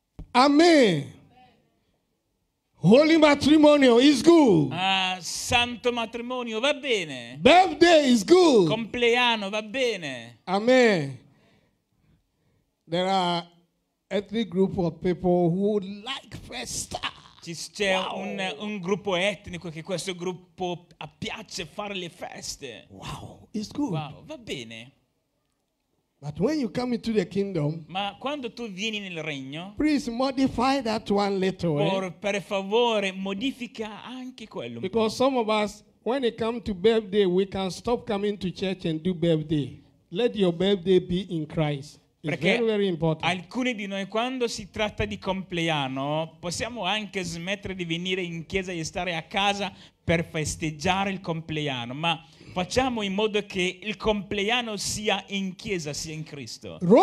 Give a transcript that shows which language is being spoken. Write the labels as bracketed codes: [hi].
[en] Amen. Holy matrimonio is good. [it] Santo matrimonio va bene. [en] Birthday is good. [it] Compleanno va bene. [en] Amen. There are ethnic group of people who like festa. [it] C'è un gruppo etnico che questo gruppo piace fare le feste. [en] Wow, it's good. [it] Wow, va bene. [en] But when you come into the kingdom, [it] ma quando tu vieni nel regno, [en] please modify that one little. [it] Per favore modifica anche quello. [en] Because some of us, when it comes to birthday, we can stop coming to church and do birthday. Let your birthday be in Christ. [it] Perché [en] very, very important. [it] Alcuni di noi, quando si tratta di compleanno, possiamo anche smettere di venire in chiesa e stare a casa per festeggiare il compleanno, ma facciamo in modo che il compleanno sia in chiesa, sia in Cristo.